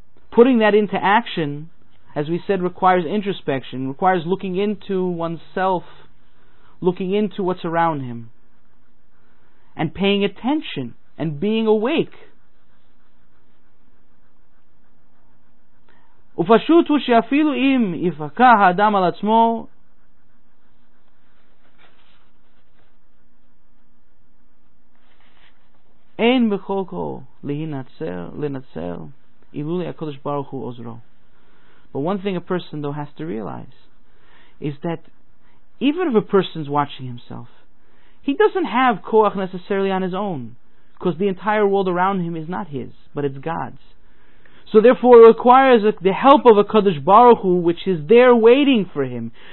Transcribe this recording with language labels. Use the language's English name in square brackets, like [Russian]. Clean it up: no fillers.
[English] Putting that into action, as we said, requires introspection, requires looking into oneself, looking into what's around him, and paying attention and being awake. [Hebrew] ופשוט הוא שאפילו אם יפקח האדם על עצמו, אין בכל כל להינצל, לנצל, אילולי הקדוש ברוך הוא עוזרו. [English] But one thing a person though has to realize is that even if a person's watching himself, he doesn't have koach necessarily on his own, because the entire world around him is not his, but it's God's. So therefore it requires the help of a Kadosh Baruch Hu, which is there waiting for him.